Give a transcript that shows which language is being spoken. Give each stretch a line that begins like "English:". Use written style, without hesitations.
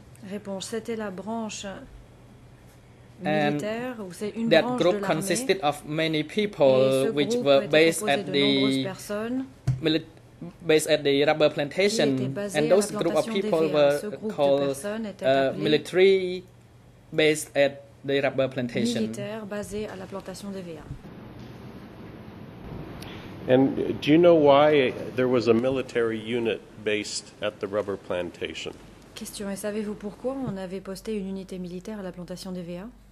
French: Réponse, c'était la branche militaire, ou c'est une
English: branche group consisted of many people which were based at the rubber plantation, and those group of people were called military based at the rubber plantation.
French: Militaire basé à la plantation d'EVA.
English: And do you know why there was a military unit based at the rubber plantation?
French: Question, et savez-vous pourquoi on avait posté une unité militaire à la plantation d'EVA?